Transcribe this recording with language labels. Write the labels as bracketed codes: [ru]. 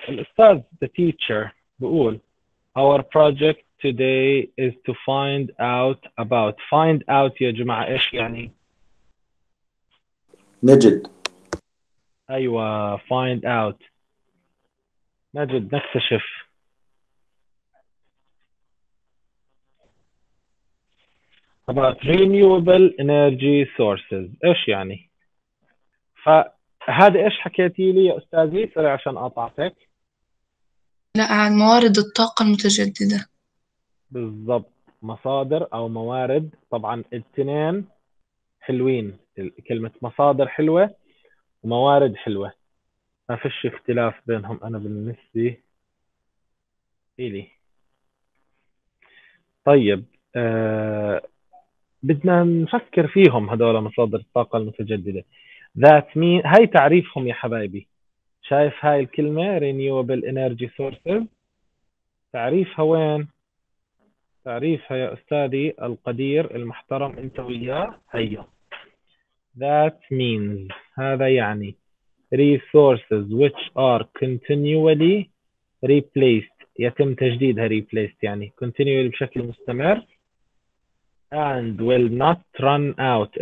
[ar] الأستاذ [en] the teacher [ar] بيقول [en] our project today is to find out about. find out [ar] يا جماعة إيش يعني؟ نجد. أيوة [en] find out. [ar] نجد نكتشف. [en] about renewable energy sources [ar] ايش يعني؟ فهذا ايش حكيتي لي يا استاذي؟ سوري عشان قاطعتك. لا عن موارد الطاقة المتجددة. بالضبط مصادر او موارد، طبعا الاثنين حلوين، كلمة مصادر حلوة وموارد حلوة. ما فيش اختلاف بينهم. انا بالنسبة إلي طيب بدنا نفكر فيهم هذول مصادر الطاقة المتجددة. ذات مين هاي تعريفهم يا حبايبي؟ شايف هاي الكلمة [en] renewable energy sources؟ [ar] تعريفها وين؟ تعريفها يا أستاذي القدير المحترم أنت وياه، هيا. [en] That means [ar] هذا يعني [en] resources which are continually replaced، [ar] يتم تجديدها [en] replaced يعني continually [ar] بشكل مستمر [en] and will not run out.